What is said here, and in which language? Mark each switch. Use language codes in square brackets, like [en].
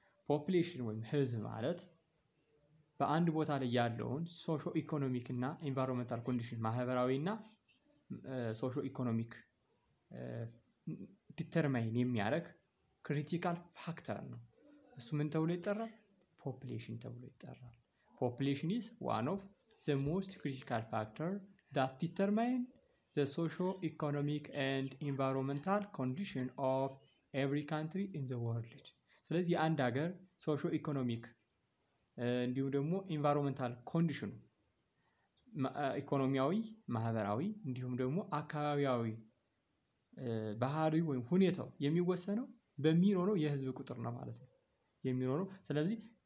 [am] Population ወይም ህዝብ ማለት በአንድ ቦታ ላይ ያለውን socio-economic እና environmental condition ማህበራዊ እና socio-economic determine የሚያደርግ critical factor ነው። እሱ ምን ተብሎ ይጠራል? Population ተብሎ ይጠራል። [en] Population is one of the most critical factors that determine the socio-economic and environmental condition of every country in the world. [am] ስለዚህ አንድ ሀገር socio-economic እንዲሁም ደግሞ environmental condition ኢኮኖሚያዊ፣ ማህበራዊ እንዲሁም ደግሞ አካባቢያዊ ባህሪ ወይም ሁኔታው የሚወሰነው በሚኖረው የህዝብ ቁጥር ነው ማለት ነው የሚኖረው። ስለዚህ